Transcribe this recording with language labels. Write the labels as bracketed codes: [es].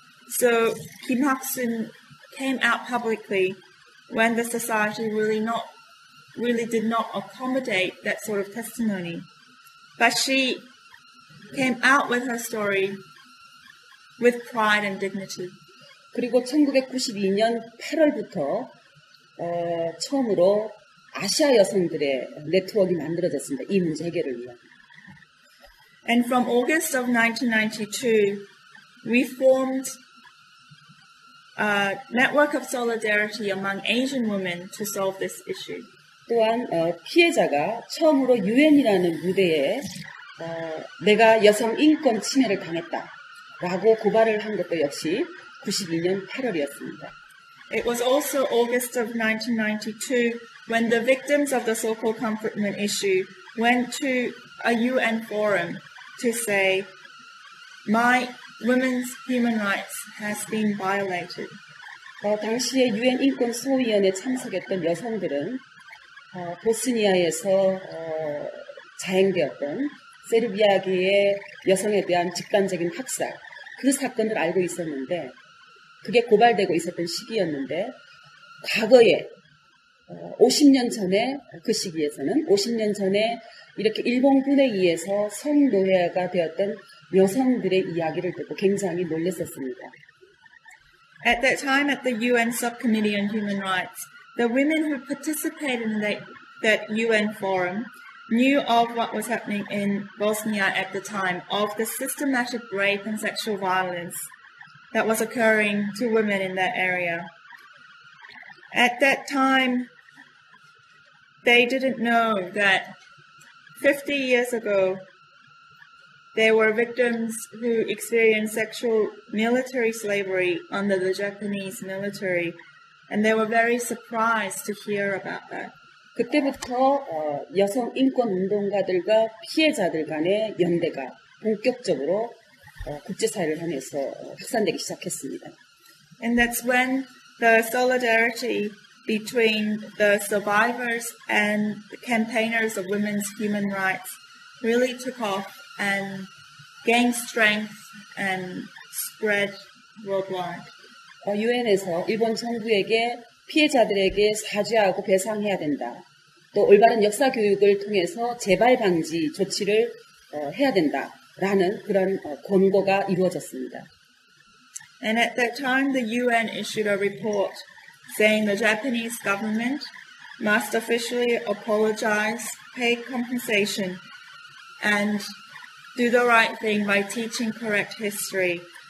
[en] So Kim Hak-sun came out publicly when the society really did not accommodate that sort of testimony. But she came out with her story with pride and dignity. [ko] 그리고 1992년 8월부터 처음으로 아시아 여성들의 네트워크가 만들어졌습니다. 이 문제 해결을 위한. [en] And from August of 1992, we formed a network of solidarity among Asian women to solve this issue. [ko] 또한 피해자가 처음으로 UN이라는 무대에 내가 여성 인권 침해를 당했다라고 고발을 한 것도 역시 92년 8월이었습니다. [en] It was also August of 1992 when the victims of the so-called confinement issue went to a UN forum to say, my women's human rights has been violated. [ko] 당시에 UN 인권 소위원회 참석했던 여성들은 보스니아에서 자행되었던 세르비아계의 여성에 대한 집단적인 학살 그 사건을 알고 있었는데 그게 고발되고 있었던 시기였는데 과거에 50년 전에 그 시기에서는 50년 전에 이렇게 일본군에 의해서 성노예가 되었던 여성들의 이야기를 듣고 굉장히 놀랐었습니다. [en] At that time at the UN Subcommittee on Human Rights, the women who participated in that UN forum knew of what was happening in Bosnia at the time, of the systematic rape and sexual violence that was occurring to women in that area. At that time, they didn't know that 50 years ago, there were victims who experienced sexual military slavery under the Japanese military, and they were very surprised to hear about that. [ko] 그때부터 여성 인권 운동가들과 피해자들 간의 연대가 본격적으로 국제사회를 향해서 확산되기 시작했습니다. [en] And that's when the solidarity between the survivors and the campaigners of women's human rights really took off and gained strength and spread worldwide. [ko] UN에서 일본 정부에게 피해자들에게 사죄하고 배상해야 된다. 또 올바른 역사 교육을 통해서 재발 방지 조치를 해야 된다라는 그런 권고가 이루어졌습니다. [en] And at that time, the UN issued a report saying the Japanese government must officially apologize, pay compensation, and do the right thing by teaching correct history.